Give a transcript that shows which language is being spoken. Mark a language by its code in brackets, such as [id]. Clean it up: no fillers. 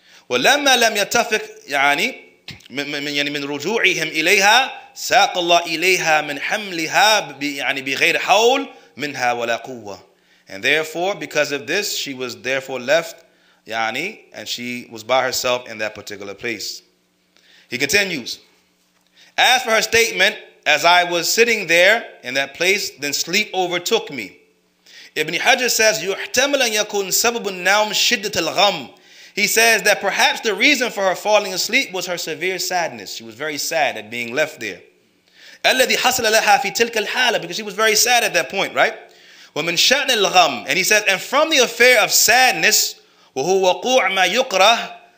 [ar] وَلَمَّا لَمْ يَتَّفِقْ يَعَنِي مِنْ رُجُوعِهِمْ إِلَيْهَا سَاقَ اللَّهِ إِلَيْهَا مِنْ حَمْلِهَا يعني بِغَيْرِ حَوْلْ مِنْهَا وَلَا قُوَّةِ. [en] And therefore, because of this, she was therefore left, يعني, and she was by herself in that particular place. He continues, as for her statement, as I was sitting there in that place, then sleep overtook me. Ibn Hajar says, [ar] يُحْتَمَلَ أَنْ يَكُونْ سَبَبُ النَّوْمِ شِدَّةَ الْغَمِ. [en] He says that perhaps the reason for her falling asleep was her severe sadness. She was very sad at being left there. [ar] أَلَّذِي حَصَلَ لَهَا فِي تِلْكَ الْحَالَةِ, [en] because she was very sad at that point, right? [ar] وَمِنْ شَأْنِ الْغَمِ. [en] And he says, and from the affair of sadness, [ar] وَهُوَ وَقُوعْ مَا يُقْرَهُ.